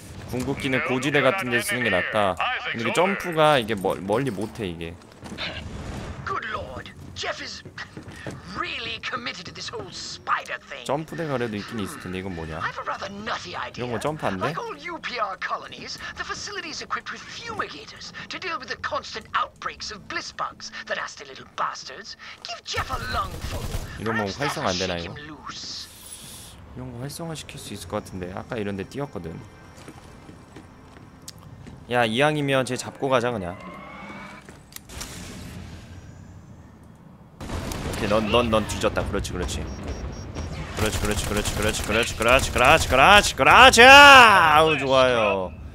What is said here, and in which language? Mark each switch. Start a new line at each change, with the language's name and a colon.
Korean: 궁극기는 고지대 같은 데 쓰는 게 낫다. 근데 이게 점프가 이게 멀리 못해 이게.
English: Good lord. Jeff is really committed to this whole spider thing.
Korean: 점프대가 그래도 있긴 있을 텐데 이건 뭐냐? 이런 거 점프한데?
English: Like all UPR colonies, the facility is equipped with fumigators to deal with the constant outbreaks of bliss bugs, the nasty little bastards. Give Jeff a lungful.
Korean: 이런 거 활성화 안 되나 이거? 이런 거 활성화 시킬 수 있을 것 같은데 아까 이런 데 뛰었거든. 야, 이왕이면 쟤 잡고 가자 그냥. 오케이, 넌 뒤졌다. 그렇지, 그렇지. 그렇지, 그렇지, 그렇지, 그렇지, 그렇지, 그렇지, 그렇지, 그렇지, 그렇지, 아우 좋아요.